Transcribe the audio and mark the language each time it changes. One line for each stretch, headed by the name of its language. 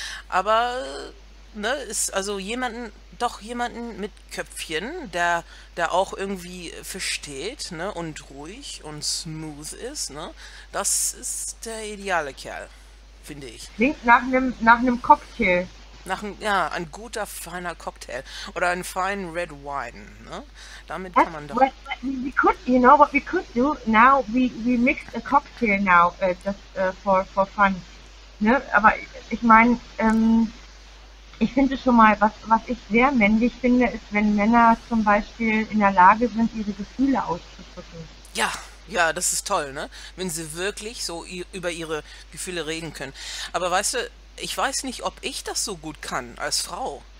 German: Aber ne, ist also jemanden mit Köpfchen, der auch irgendwie versteht, ne, und ruhig und smooth ist, ne? Das ist der ideale Kerl, finde ich. Klingt nach einem Cocktail. Ein guter, feiner Cocktail oder ein feinen
English: Red Wine,
German: ne? Damit
English: That's
German: kann man doch.
English: what we could, you know what we could do? Now we mix a cocktail now, just for fun.
German: Ne? Aber ich meine, ich finde schon mal, was ich sehr männlich finde, ist, wenn Männer zum Beispiel in der Lage sind, ihre Gefühle auszudrücken. Ja, das ist toll, ne? Wenn sie wirklich so über ihre Gefühle reden können. Aber weißt du, ich weiß nicht, ob ich das so gut kann als Frau.